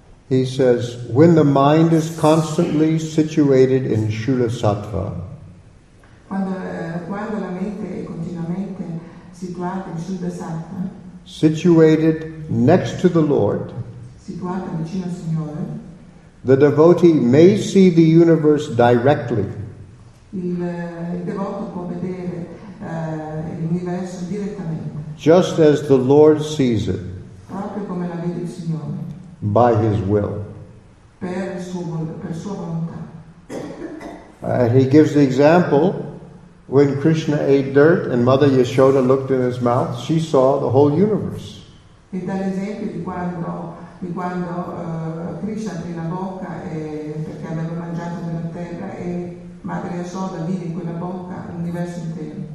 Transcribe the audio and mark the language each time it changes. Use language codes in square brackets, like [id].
[en] He says, when the mind is constantly situated in Shuddha Sattva, [it] quando la mente è continuamente situata in Shuddha Sattva, [en] situated next to the Lord, [it] situata vicino al Signore, [en] the devotee may see the universe directly. [it] Il devoto può vedere l'universo direttamente. [en] Just as the Lord sees it. [it] Proprio come la vede il Signore. [en] By his will. [it] Per sua volontà. [en] And he gives the example, when Krishna ate dirt and Mother Yashoda looked in his mouth, she saw the whole universe. [it] E dà l'esempio di quando Krishna aprì la bocca perché aveva mangiato nella terra e Madre Yashoda vide in quella bocca l'universo intero.